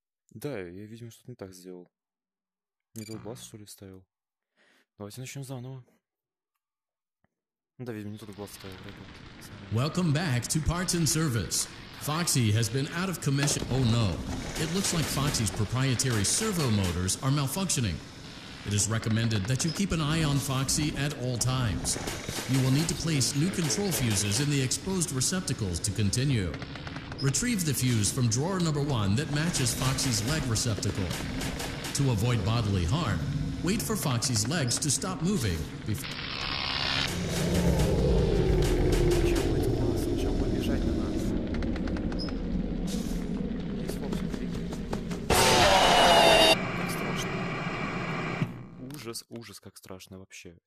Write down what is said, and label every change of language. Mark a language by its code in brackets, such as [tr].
[ru] Да, я, видимо, что-то не так сделал. Не тот глаз, что ли, ставил? Давайте начнем заново. Да, видимо, не тот глаз ставил. [en] Welcome back to Parts and Service. Foxy has been out of commission. Oh no. It looks like Foxy's proprietary servo motors are malfunctioning. It is recommended that you keep an eye on Foxy at all times. You will need to place new control fuses in the exposed receptacles to continue. Retrieve the fuse from drawer number 1 that matches Foxy's leg receptacle. To avoid bodily harm, wait for Foxy's legs to stop moving before... [ru] Сначала побежать на нас. Ужас, ужас, как страшно вообще.